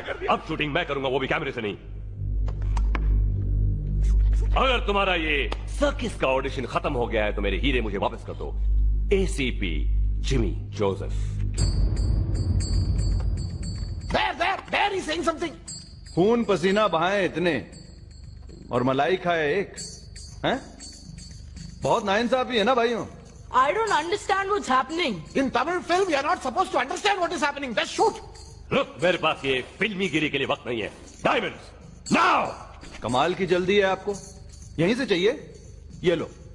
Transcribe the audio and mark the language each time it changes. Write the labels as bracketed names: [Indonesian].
[Hindi] अब शूटिंग मैं करूंगा, वो भी कैमरे से नहीं. अगर तुम्हारा ये सर्किस का ऑडिशन खत्म हो गया है तो मेरे हीरे मुझे वापस कर दो. ACP Jimmy Joseph. [English] There, he's saying something. [Hindi] खून पसीना बहाए इतने और मलाई खाए एक, हैं? बहुत नाइंसाफी है ना भाइयों? [English] I don't understand what's happening. In Tamil film, you're not supposed to understand what is happening. Just shoot. [Hindi] Look, मेरे पास ये फिल्मी गिरी के लिए वक्त नहीं है. [English] Diamonds, now. [Hindi] कमाल की जल्दी है आपको, यहीं से चाहिए, ये लो.